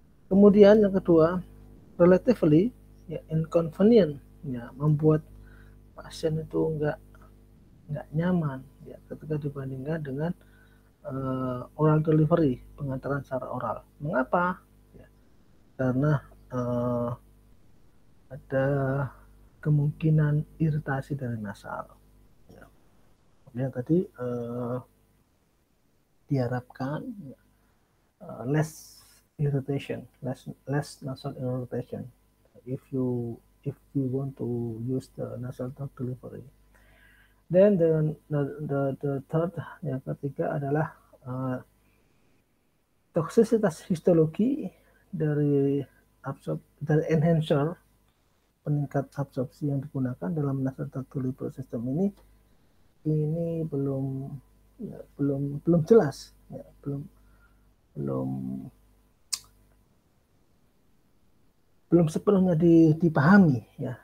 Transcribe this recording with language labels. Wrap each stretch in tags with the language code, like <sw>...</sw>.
<id>Kemudian yang kedua,</id> <en>relatively,</en> <id>ya, inconvenient, ya, membuat pasien itu enggak nyaman, ya, ketika dibandingkan dengan oral delivery, pengantaran secara oral. Mengapa? Ya, karena ada kemungkinan iritasi dari nasal. Ya. Yang tadi diharapkan, ya,</id> <en>less irritation, less nasal irritation. If you want to use the nasal drug delivery. Then the third,</en> <id>yang ketiga adalah toksisitas histologi dari enhancer peningkat absorpsi yang digunakan dalam nasal drug delivery system ini belum, ya, belum belum jelas, ya, belum belum belum sepenuhnya dipahami, ya.</id>